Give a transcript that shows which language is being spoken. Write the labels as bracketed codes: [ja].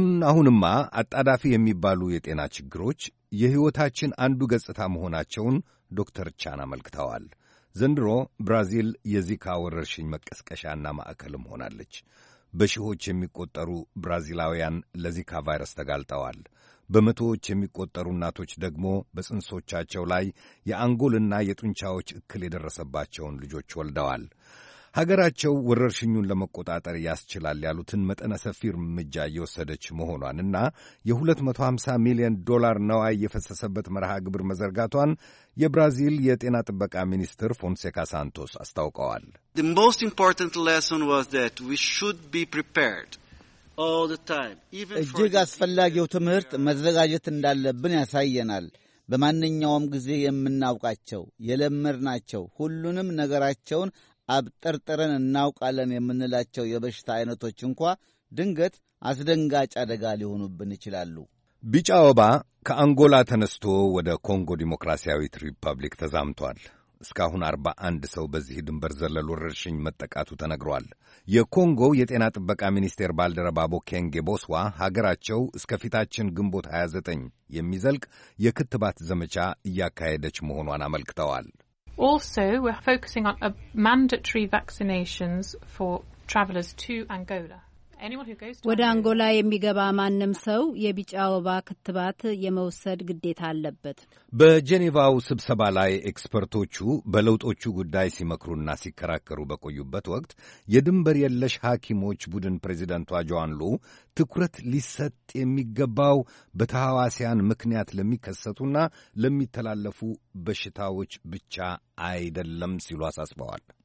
[am] አሁንማ አጣዳፊ የሚባሉ የጤና ችግሮች የህይወታችን አንዱ ገጽታ መሆናቸውን ዶክተር ቻን አመልክተዋል። ዘንድሮ ብራዚል የዚካ ወረርሽኝ መቀስቀሻና ማዕከልም ሆናለች። በሺዎች የሚቆጠሩ ብራዚላውያን ለዚካ ቫይረስ ተጋልጠዋል። በመቶዎች የሚቆጠሩ እናቶች ደግሞ በጽንሶቻቸው ላይ የአንጎልና የጡንቻዎች እክል የደረሰባቸውን ልጆች ወልደዋል። ሀገራቸው ወረርሽኙን ለመቆጣጠር ያስችላል ያሉትን መጠነ ሰፊ እርምጃ እየወሰደች መሆኗንና የ250 ሚሊዮን ዶላር ነዋይ የፈሰሰበት መርሃ ግብር መዘርጋቷን የብራዚል የጤና ጥበቃ ሚኒስትር ፎንሴካ ሳንቶስ አስታውቀዋል። [en] The most important lesson was that we should be prepared all the time even for [am] እጅግ አስፈላጊው ትምህርት መዘጋጀት እንዳለብን ያሳየናል። በማንኛውም ጊዜ የምናውቃቸው የለመድናቸው ሁሉንም ነገራቸውን አብጠርጥረን እናውቃለን የምንላቸው የበሽታ አይነቶች እንኳን ድንገት አስደንጋጭ አደጋ ሊሆኑብን ይችላሉ። ቢጫ ወባ ከአንጎላ ተነስቶ ወደ ኮንጎ ዲሞክራሲያዊት ሪፐብሊክ ተዛምቷል። እስካሁን 41 ሰው በዚህ ድንበር ዘለል ወረርሽኝ መጠቃቱ ተነግሯል። የኮንጎ የጤና ጥበቃ ሚኒስቴር ባልደረባ ቦኬንጌ ቦስዋ ሀገራቸው እስከፊታችን ግንቦት 29 የሚዘልቅ የክትባት ዘመቻ እያካሄደች መሆኗን አመልክተዋል። [en] Also, we're focusing on mandatory vaccinations for travelers to Angola. [am] ወደ አንጎላ የሚገባ ማንም ሰው የቢጫ ወባ ክትባት የመውሰድ ግዴታ አለበት። በጄኔቫው ስብሰባ ላይ ኤክስፐርቶቹ በለውጦቹ ጉዳይ ሲመክሩና ሲከራከሩ በቆዩበት ወቅት የድንበር የለሽ ሐኪሞች ቡድን ፕሬዚዳንቷ ጆአን ሉ ትኩረት ሊሰጥ የሚገባው በተሐዋሲያን ምክንያት ለሚከሰቱና ለሚተላለፉ በሽታዎች ብቻ አይደለም ሲሉ አሳስበዋል።